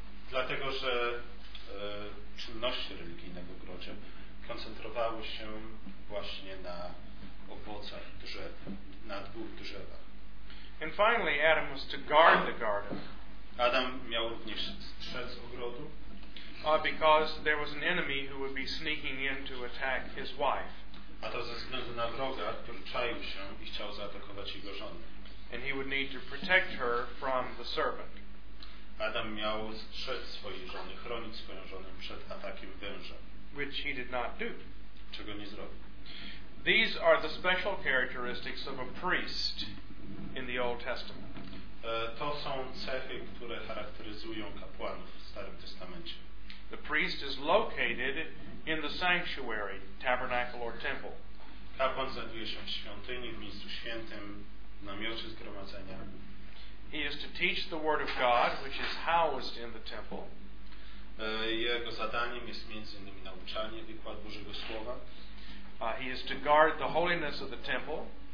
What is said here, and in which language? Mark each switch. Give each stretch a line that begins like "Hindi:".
Polish: Dlatego, że czynności religijne w ogrodzie koncentrowały się właśnie na owocach drzew, na dwóch drzewach.
English: And finally, Adam was to guard the garden.
Polish: Adam miał również strzec ogrodu.
English: Because there was an enemy who would be sneaking in to attack his wife.
Polish: A to ze względu na wroga, który czaił się i chciał zaatakować jego żonę.
English: And he would need to protect her from the serpent.
Polish: Adam miał strzec swojej żony, chronić swoją żonę przed atakiem węża.
English: Which he did not do.
Polish: Czego nie zrobił.
English: These are the special characteristics of a priest in the Old Testament.
Polish: To są cechy, które charakteryzują kapłanów w Starym Testamencie.
English: The priest is located in the sanctuary, tabernacle or temple.
Polish: Kapłan znajduje się w świątyni, w miejscu świętym, w namiocie zgromadzenia.
English: He is to teach the word of God, which is housed in the temple.
Polish: Jego zadaniem jest między innymi nauczanie, wykład Bożego Słowa.
English: He is to guard the holiness of the temple.